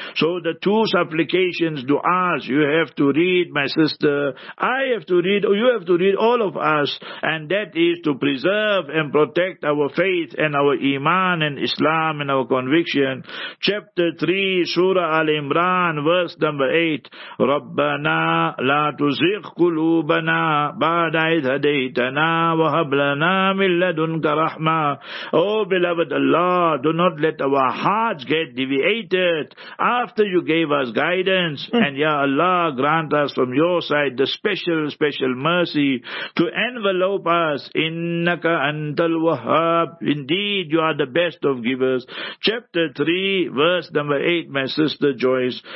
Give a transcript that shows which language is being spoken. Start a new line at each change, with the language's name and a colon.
English: So the two supplications, du'as, you have to read, my sister, I have to read, or you have to read, all of us, and that is to preserve and protect our faith and our iman and Islam and our conviction. Chapter 3, Surah Al-Imran, verse number 8.
Arabic: Rabbana la tuzigh قلوبنا بعد إذ هديتنا وهب لنا من لدنك رحمة.
English: Oh beloved Allah, do not let our hearts get deviated after you gave us guidance. And ya Allah, grant us from your side the special, special mercy to envelope us.
Arabic: إنك أنت الوهاب.
English: Indeed, you are the best of givers. Chapter 3, verse number 8, my sister Joyce.